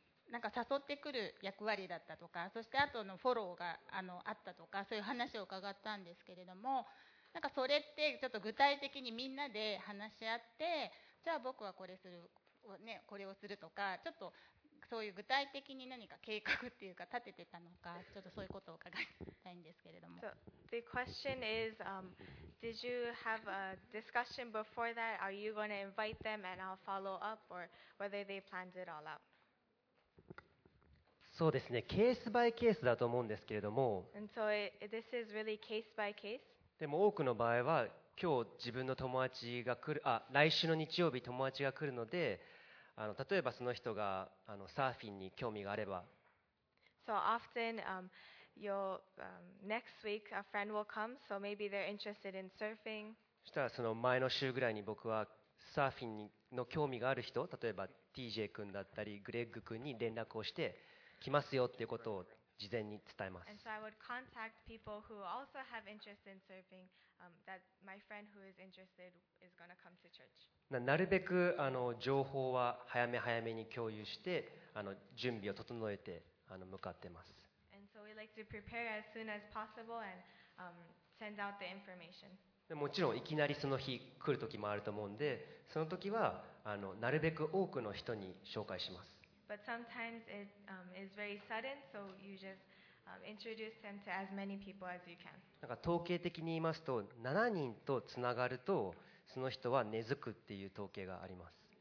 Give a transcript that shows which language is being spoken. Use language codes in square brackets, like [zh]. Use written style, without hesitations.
[ja] なんか誘ってくる役割だったとか、そして後のフォローが あったとか、そういう話を伺ったんですけれども、なんかそれってちょっと具体的にみんなで話し合って、じゃあ僕はこれする、ね、これをするとか、ちょっとそういう具体的に何か計画っていうか立ててたのか、ちょっとそういうことを伺いたいんですけれども。 [en] So, the question is, did you have a discussion before that? Are you going to invite them and I'll follow up, or whether they planned it all out? [ja] そうですね、ケースバイケースだと思うんですけれども。 [en] And so this is really case by case. [ja] でも多くの場合は今日自分の友達が来る、あ、来週の日曜日友達が来るので、例えばその人がサーフィンに興味があれば、 [en] So often, next week a friend will come, so maybe they're interested in surfing. [ja] そしたらその前の週ぐらいに僕はサーフィンの興味がある人、例えば TJ 君だったりグレッグ君に連絡をして来ますよっていうことを事前に伝えます。 [en] And so I would contact people who also have interest in serving, that my friend who is interested is going to come to church. [ja] なるべく情報は早め早めに共有して準備を整えて向かってます。 [en] And so we like to prepare as soon as possible and send out the information. [ja] もちろんいきなりその日来る時もあると思うんで、その時はなるべく多くの人に紹介します。 [en] But sometimes it is very sudden, so you just introduce them to as many people as you can. [ja] なんか統計的に言いますと、7人とつながるとその人は根付くっていう統計があります。